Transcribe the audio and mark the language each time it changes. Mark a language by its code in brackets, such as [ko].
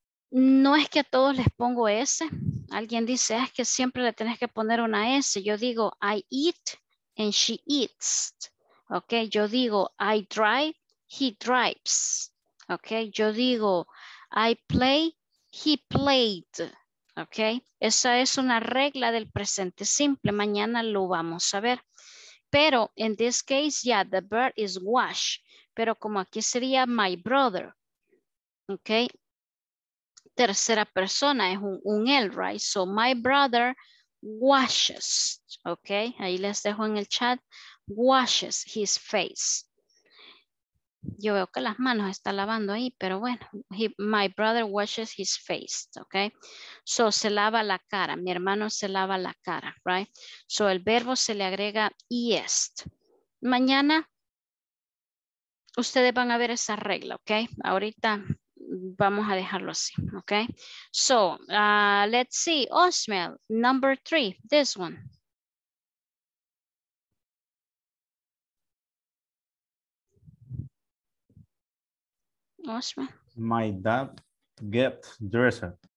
[es] No es que a todos les pongo S, alguien dice es que siempre le tienes que poner una S, yo digo [en] I eat and she eats, [es] ok. Yo digo [en] I drive, he drives. Ok, [es] yo digo, [en] I play, he played. [es] Ok, esa es una regla del presente simple. Mañana lo vamos a ver. Pero en [en] this case, yeah, the verb is wash. [es] Pero como aquí sería [en] my brother. [es] Ok, tercera persona es un él, right? [en] So my brother washes. Ok, [es] ahí les dejo en el chat, [en] washes his face. [es] Yo veo que las manos está lavando ahí, pero bueno, [en] my brother washes his face, [es] ok. So, se lava la cara, mi hermano se lava la cara, right. So, el verbo se le agrega est. Mañana, ustedes van a ver esa regla, ok. Ahorita vamos a dejarlo así, ok. [en] So, let's see, Osmel, number three, this one. My dad gets dressed.